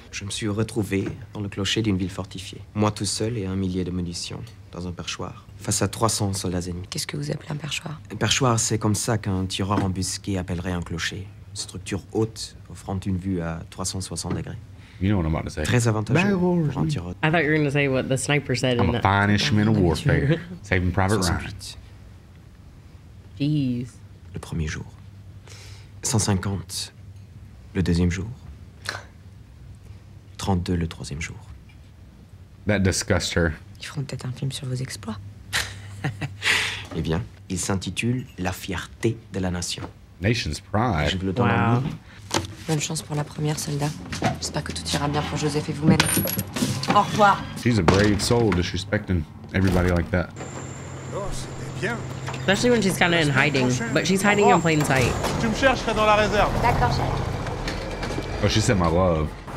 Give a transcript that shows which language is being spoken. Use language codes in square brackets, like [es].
[fr] Je me suis retrouvé dans le clocher d'une ville fortifiée. Moi tout seul et un millier de munitions dans un perchoir. Face à 300 soldats ennemis. Qu'est-ce que vous appelez un perchoir? Un perchoir, c'est comme ça qu'un tireur embusqué appellerait un clocher. Une structure haute offrant une vue à 360 degrés. [en] You know what I'm about to say. [fr] Très avantageux. [en] I thought you were going to say what the sniper said. I'm a fine instrument of warfare. Saving Private Ryan. Jeez. [fr] Le premier jour. 150. Le deuxième jour. 32. Le troisième jour. [en] That disgusts her. [fr] Ils feront peut-être un film sur vos exploits. Eh bien. Il s'intitule La fierté de la nation. [en] Nation's pride. [fr] Je vous le donne. Wow. Bonne chance pour la première, soldat. J'espère que tout ira bien pour Joseph et vous-même. Au revoir. [en] She's a brave soul, disrespecting everybody like that. Especially when she's kind of in hiding, but she's hiding in plain sight. [fr] Tu me chercherais dans la réserve. D'accord, chef. [en] Oh, she said my love.